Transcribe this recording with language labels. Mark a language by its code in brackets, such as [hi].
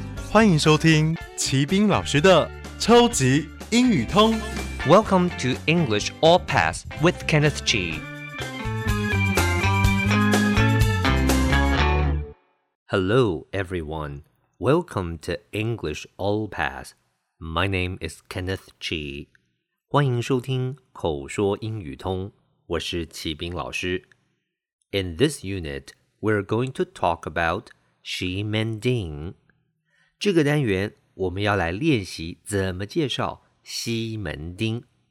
[zh] 欢迎收听齐宾老师的超级英语通。 [en] Welcome to English All Pass with Kenneth G. Hello, everyone. Welcome to English All Pass. My name is Kenneth G. [zh] 欢迎收听口说英语通。我是齐宾老师。 [en] In this unit, we're going to talk about Xi Mending. [zh] 这个单元我们要来练习怎么介绍西门町。